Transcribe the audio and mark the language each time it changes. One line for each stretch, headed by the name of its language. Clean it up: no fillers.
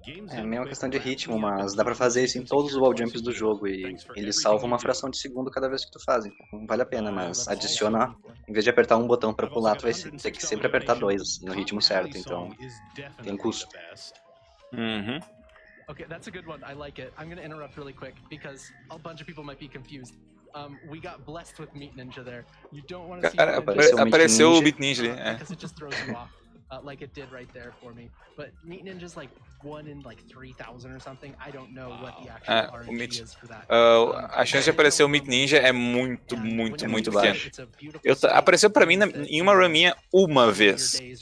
Portuguese: É meio uma questão de ritmo, mas dá pra fazer isso em todos os wall jumps do jogo e ele salva uma fração de segundo cada vez que tu faz. Não vale a pena, mas adicionar, em vez de apertar um botão pra pular, tu vai ter que sempre apertar 2 no ritmo certo, então tem um custo. Uhum.
English: Ok, that's a good one, I like it. I'm gonna interrupt really quick, because a bunch of people might be confused. We got blessed with Meat Ninja there. You don't want to see
Portuguese: Meat Ninja. Apareceu o Meat Ninja, é.
English: Because it just throws you off, like it did right there for me. But Meat Ninja's like 1 in 3,000 or something. I don't know what the actual RNG is for that.
Portuguese: A chance de aparecer o Meat Ninja é muito, muito, muito baixa. Apareceu pra mim em uma run minha uma vez.